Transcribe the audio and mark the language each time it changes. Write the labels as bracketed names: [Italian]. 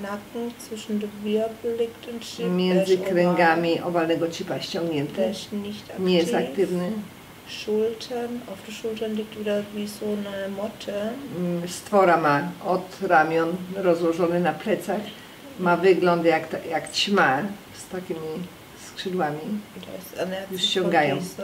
[German] Nacken zwischen den Wirbeln liegt ein Chip. [Polish] Między kręgami owalnego chipa ściągnięty. [German] Też nicht aktiv. [Polish] Nie jest aktywny. [German] Schultern, auf der Schultern liegt wieder wie so eine Motte. [Polish] Stwora ma od ramion rozłożony na plecach. Ma wygląd jak, ta, jak ćma z takimi skrzydłami, już ściągają.